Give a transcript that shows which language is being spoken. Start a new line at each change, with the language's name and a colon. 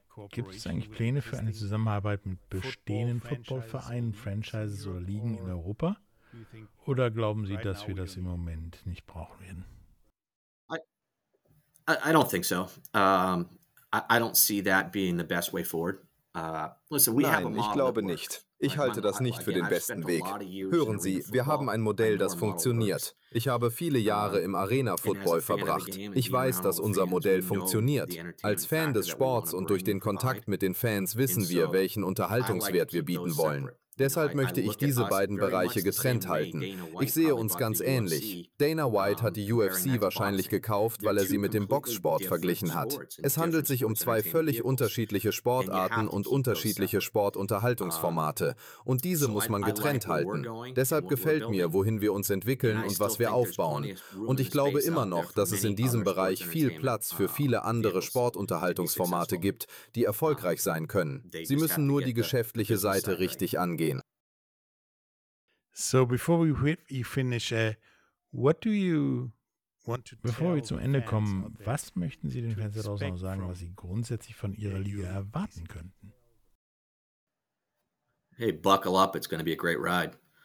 German: Gibt es eigentlich Pläne für eine Zusammenarbeit mit bestehenden Footballvereinen, Franchises oder Ligen in Europa? Oder glauben Sie, dass wir das im Moment nicht brauchen werden?
English: I don't think so. I don't see that being the best way forward.
German: Nein, ich glaube nicht. Ich halte das nicht für den besten Weg. Hören Sie, wir haben ein Modell, das funktioniert. Ich habe viele Jahre im Arena-Football verbracht. Ich weiß, dass unser Modell funktioniert. Als Fan des Sports und durch den Kontakt mit den Fans wissen wir, welchen Unterhaltungswert wir bieten wollen. Deshalb möchte ich diese beiden Bereiche getrennt halten. Ich sehe uns ganz ähnlich. Dana White hat die UFC wahrscheinlich gekauft, weil er sie mit dem Boxsport verglichen hat. Es handelt sich um 2 völlig unterschiedliche Sportarten und unterschiedliche Sportunterhaltungsformate. Und diese muss man getrennt halten. Deshalb gefällt mir, wohin wir uns entwickeln und was wir aufbauen. Und ich glaube immer noch, dass es in diesem Bereich viel Platz für viele andere Sportunterhaltungsformate gibt, die erfolgreich sein können. Sie müssen nur die geschäftliche Seite richtig angehen.
English: So, before we finish, what do you want to?
German: Bevor wir zum Ende kommen, was möchten Sie den Fans daraus noch sagen, was Sie grundsätzlich von Ihrer Liga erwarten könnten?
English: Hey, buckle up, it's going to be a great ride.